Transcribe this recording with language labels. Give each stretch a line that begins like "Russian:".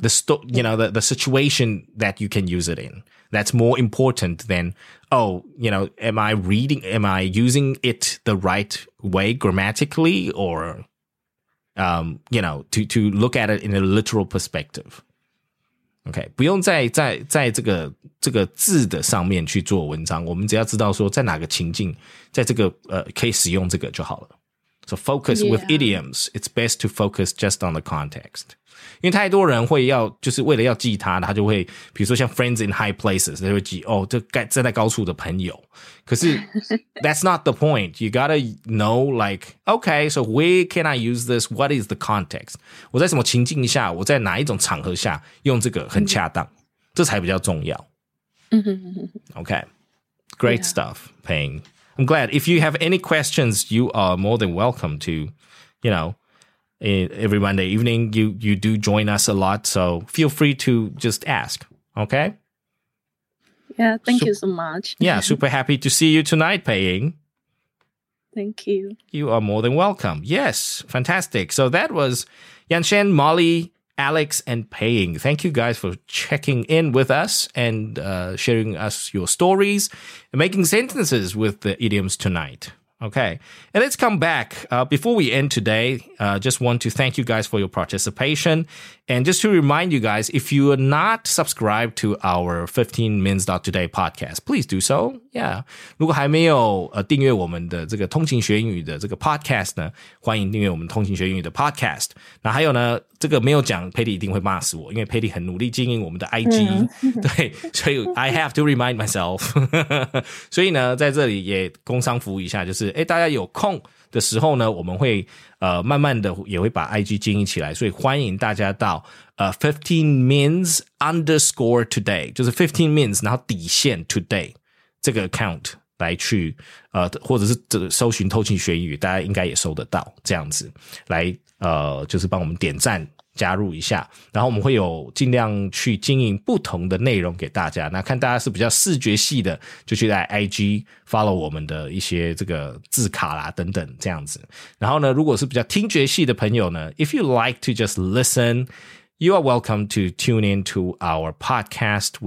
English: The situation that you can use it in. That's more important than, oh, you know, am I using it the right way grammatically or, you know, to look at it in a literal perspective.
Chinese: Okay, 不用在这个字的上面去做文章，我们只要知道说在哪个情境，在这个可以使用这个就好了。
English: So focus with idioms. It's best to focus just on the context.
Chinese: 因为太多人会要就是为了要记他他就会比如说像
English: friends in high places,
Chinese: 他就会记哦这站在高处的朋友。
English: 可是that's not the point. You gotta know like, okay, so where can I use this? What is the context?
Chinese: 我在什么情境下我在哪一种场合下用这个很恰当、mm-hmm. 这才比较重要。
English: Okay, great、yeah. stuff, Ping. I'm glad. If you have any questions, you are more than welcome to, you know,every Monday evening, you do join us a lot, so feel free to just ask, okay? Yeah, thank you so much. Yeah, super happy to see you tonight, Paying. Thank you. You are more than welcome. Yes, fantastic. So that was Yanshen, Molly, Alex, and Paying. Thank you guys for checking in with us and sharing us your stories and making sentences with the idioms tonight. Okay, and let's come back. Before we end today, just want to thank you guys for your participation. And just to remind you guys, if you are not subscribed to our 15min.today podcast, please do so. Yeah.
Chinese: 如果还没有订阅我们的这个通勤学英语的这个 podcast 呢，欢迎订阅我们通勤学英语的 podcast。那还有呢，这个没有讲 ，Patty 一定会骂死我，因为 Patty 很努力经营我们的 IG、嗯。对，所以
English: I have to remind myself 。
Chinese: 所以呢，在这里也工商服务一下，就是哎，大家有空的时候呢，我们会慢慢的也会把 IG 经营起来，所以欢迎大家到15min_today， 就是 15min 然后底线 today。这个 account 来去或者是搜寻偷情学英语大家应该也搜得到这样子来就是帮我们点赞加入一下然后我们会有尽量去经营不同的内容给大家那看大家是比较视觉系的就去在 IG follow 我们的一些这个字卡啦等等这样子然后呢如果是比较听觉系的朋友呢
English: if you like to just listenYou are welcome to tune in to our podcast.